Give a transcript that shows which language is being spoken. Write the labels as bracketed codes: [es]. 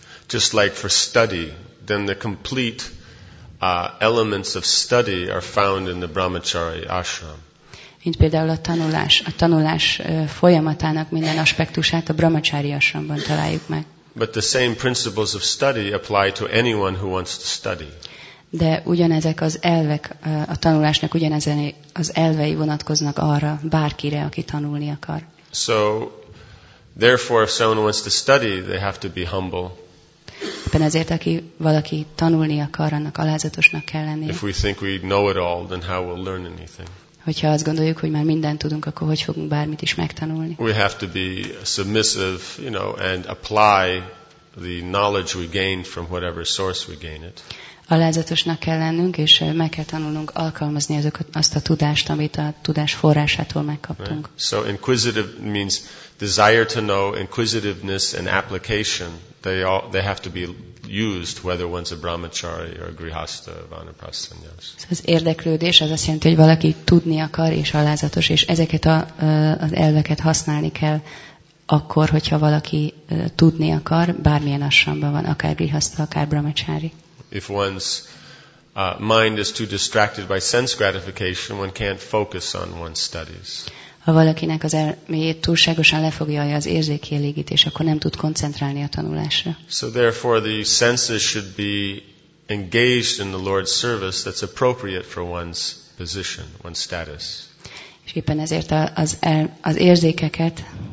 [en] Just like for study, then the complete elements of study are found in the brahmachari ashram. [hu] Mint például a tanulás folyamatának minden aspektusát a brahmachari ashramban találjuk meg. [en] But the same principles of study apply to anyone who wants to study. [hu] De ugyanezek az elvek a tanulásnak ugyanezen az elvei vonatkoznak arra bárkire, aki tanulni akar. [en] So therefore if someone wants to study, they have to be humble. [hu] Éppen ezért, aki valaki tanulni akar, annak alázatosnak kell lenni. [en] If we think we know it all, then how we'll learn anything? [hu] Hogyha azt gondoljuk, hogy már mindent tudunk, akkor hogy fogunk bármit is megtanulni? [en] We have to be submissive, you know, and apply the knowledge we gain from whatever source we gain it. [hu] Alázatosnak kell lennünk, és meg kell tanulnunk alkalmazni azt a tudást, amit a tudás forrásától megkaptunk. [en] Right. So inquisitive means desire to know, inquisitiveness and application. They have to be used whether one's a brahmachari or a grihastha or vanaprastha sannyas. [hu] Az érdeklődés az azt jelenti, hogy valaki tudni akar és alázatos, és ezeket az elveket használni kell akkor, hogyha valaki tudni akar, bármilyen ashramban van, akár grihastha, akár brahmachari. [en] If one's mind is too distracted by sense gratification, one can't focus on one's studies. [hu] Ha valakinek az elméjét túlságosan lefogja az érzékkielégítés, akkor nem tud koncentrálni a tanulásra. [en] So therefore the senses should be engaged in the Lord's service that's appropriate for one's position, one's status. [hu] És éppen ezért az érzékeket